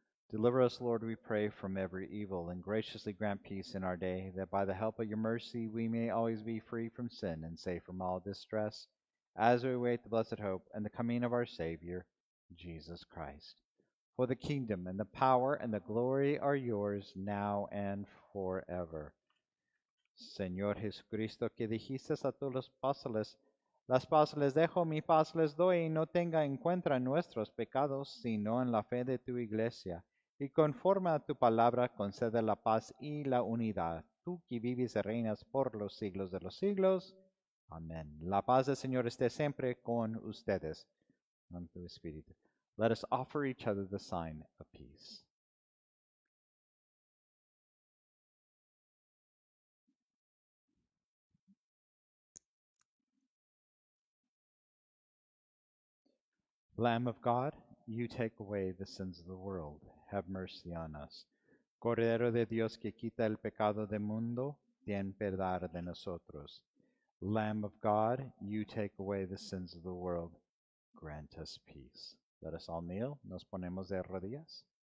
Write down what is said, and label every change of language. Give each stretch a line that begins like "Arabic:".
English: Deliver us, Lord, we pray, from every evil, and graciously grant peace in our day, that by the help of your mercy we may always be free from sin and safe from all distress, as we await the blessed hope and the coming of our Savior, Jesus Christ. For the kingdom and the power and the glory are yours, now and forever.
Spanish: Señor Jesucristo, que dijiste a todos los apóstoles, las paz les dejo, mi paz les doy, y no tenga en cuenta nuestros pecados, sino en la fe de tu iglesia. Y conforme a tu palabra, concede la paz y la unidad. Tú que vives y reinas por los siglos de los siglos. Amén. La paz del Señor esté siempre con ustedes. En tu espíritu.
English: Let us offer each other the sign of peace. Lamb of God, you take away the sins of the world. Have mercy on us.
Spanish: Cordero de Dios que quita el pecado del mundo, ten piedad de nosotros.
English: Lamb of God, you take away the sins of the world. Grant us peace. Let us all kneel.
Spanish: Nos ponemos de rodillas.